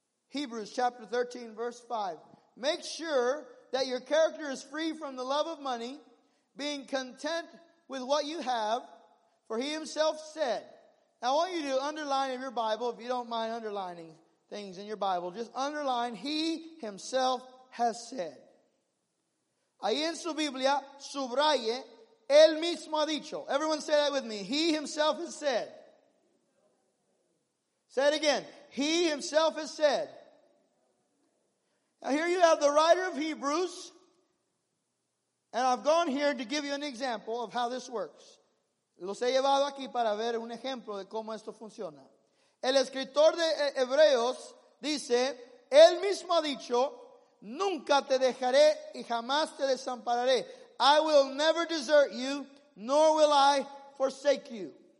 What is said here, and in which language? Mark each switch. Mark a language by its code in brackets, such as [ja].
[en] Hebrews chapter 13, verse 5. Make sure that your character is free from the love of money, being content with what you have, for he himself said. Now I want you to underline in your Bible, if you don't mind underlining things in your Bible, just underline, he himself has said. [es] Ahí en su Biblia, subraye, él mismo ha dicho. [en] Everyone say that with me. He himself has said. Say it again. He himself has said. Now here you have the writer of Hebrews. And I've gone here to give you an example of how this works. [es] Los he llevado aquí para ver un ejemplo de cómo esto funciona. El escritor de Hebreos dice, él mismo ha dicho, nunca te dejaré y jamás te desampararé. [en] I will never desert you, nor will I forsake you.